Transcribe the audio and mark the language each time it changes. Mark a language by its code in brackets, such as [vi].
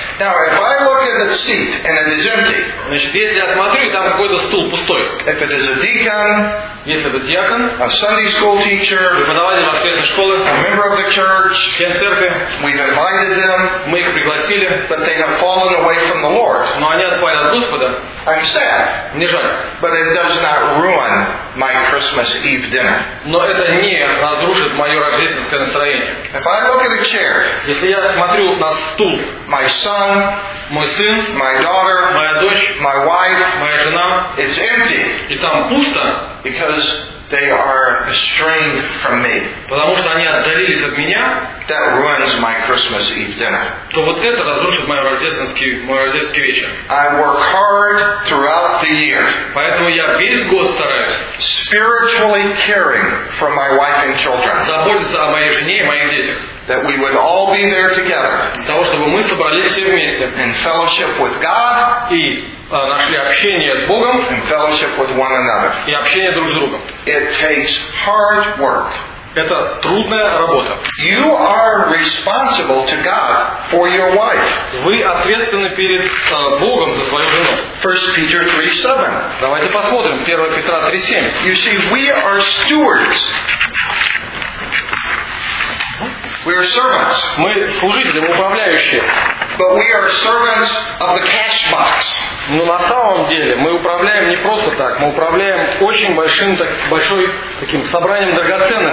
[en] Now, if I look at the seat and it is empty. [ru] Значит, если я смотрю, там какой-то стул пустой. [en] If it is a deacon. [ru] Если это диакон. [en] A Sunday school teacher. [ru] Преподаватель воскресной школы. [en] A member of the church. [ru] Член церкви. [en] We've invited them. [ru] Мы их пригласили. [en] But they have fallen away from the Lord. [ru] Но они отпали от Господа. [en] I'm sad. [ru] Мне жаль. [en] But it does not ruin my Christmas Eve dinner. [ru] Но это не разрушит мое рождественское настроение. [en] If I look at a chair. [ru] Если я смотрю на стул. [en] My son. [ru] Мой сын. [en] My daughter. [ru] Моя дочь. [en] My wife. [ru] Моя жена. [en] It's empty. [ru] И там пусто. [en] Because they are estranged from me. [ru] Потому что они отдалились от меня. [en] That ruins my Christmas Eve dinner. [ru] То вот это разрушит мой рождественский вечер. [en] I work hard throughout the year. [ru] Поэтому я весь год стараюсь. [en] Spiritually caring for my wife and children. [ru] Заботиться о моей жене и моих детях. [en] That we would all be there together. [ru] Для того чтобы мы собрались все вместе. [en] In fellowship with God. [ru] И нашли общение с Богом. [en] And fellowship with one another. [ru] И общение друг с другом. [en] It takes hard work. [ru] Это трудная работа. [en] You are responsible to God for your wife. [ru] Вы ответственны перед Богом за свою жену. [en] 1 Peter 3:7. [ru] Давайте посмотрим 1 Петра 3:7. [en] You see, we are stewards. We are servants. [ru] Мы служители, мы управляющие. [en] But we are servants of the cash box. [ru] Но на самом деле мы управляем не просто так, мы управляем очень большим, так, большой таким собранием драгоценных.